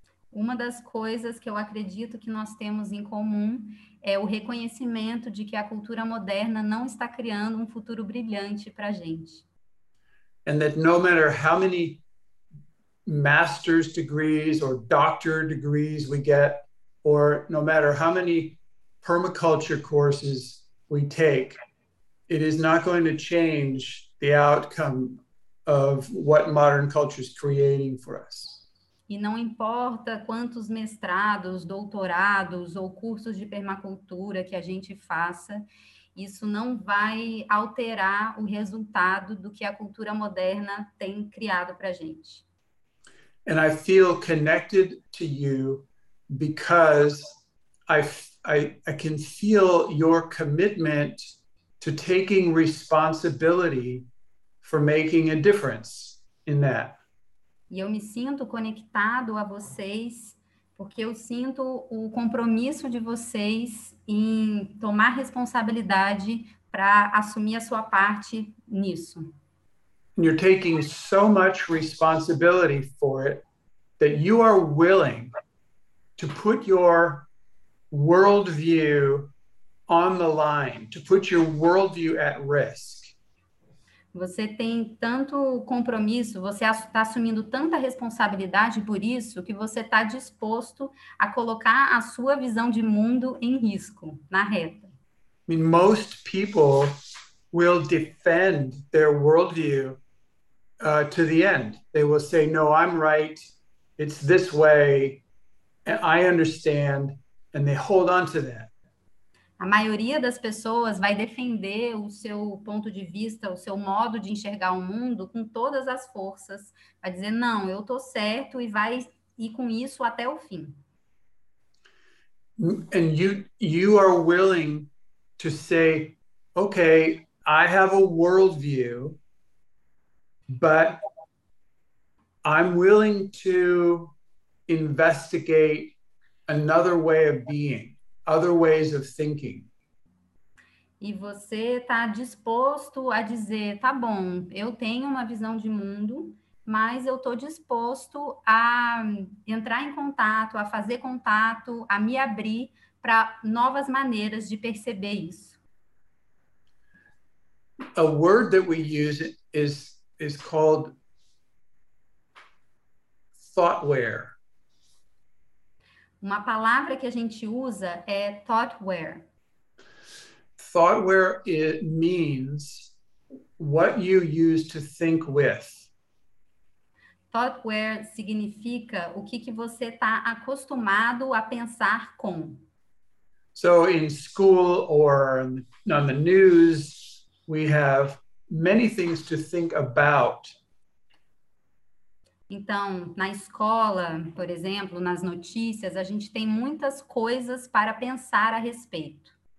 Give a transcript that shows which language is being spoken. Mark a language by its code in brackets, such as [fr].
[pt] Uma das coisas que eu acredito que nós temos em comum é o reconhecimento de que a cultura moderna não está criando um futuro brilhante para a gente. [en] And that no matter how many master's degrees or doctor degrees we get, or no matter how many permaculture courses we take, it is not going to change the outcome of what modern culture is creating for us. [pt] E não importa quantos mestrados, doutorados ou cursos de permacultura que a gente faça, isso não vai alterar o resultado do que a cultura moderna tem criado para a gente. [en] And I feel connected to you because I can feel your commitment to taking responsibility for making a difference in that. [pt] E eu me sinto conectado a vocês porque eu sinto o compromisso de vocês em tomar responsabilidade para assumir a sua parte nisso. [en] You're taking so much responsibility for it that you are willing to put your worldview on the line, to put your worldview at risk. [pt] Você tem tanto compromisso, você está assumindo tanta responsabilidade por isso que você está disposto a colocar a sua visão de mundo em risco, na reta. [en] I mean, most people will defend their worldview to the end. They will say, no, I'm right, it's this way, and I understand, and they hold on to that. [pt] A maioria das pessoas vai defender o seu ponto de vista, o seu modo de enxergar o mundo com todas as forças, vai dizer, não, eu tô certo, e vai ir com isso até o fim. [en] And you are willing to say, okay, I have a worldview, but I'm willing to investigate another way of being, other ways of thinking. [pt] E você está disposto a dizer, tá bom, eu tenho uma visão de mundo, mas eu estou disposto a entrar em contato, a fazer contato, a me abrir para novas maneiras de perceber isso. [en] A word that we use is called thoughtware. [pt] Uma palavra que a gente usa é thoughtware. [en] Thoughtware means what you use to think with. [pt] Thoughtware significa o que você está acostumado a pensar com. [en] So in school or on the news, we have many things to think about. [pt] Então, na escola, por exemplo, nas notícias, a gente tem muitas coisas para pensar a respeito.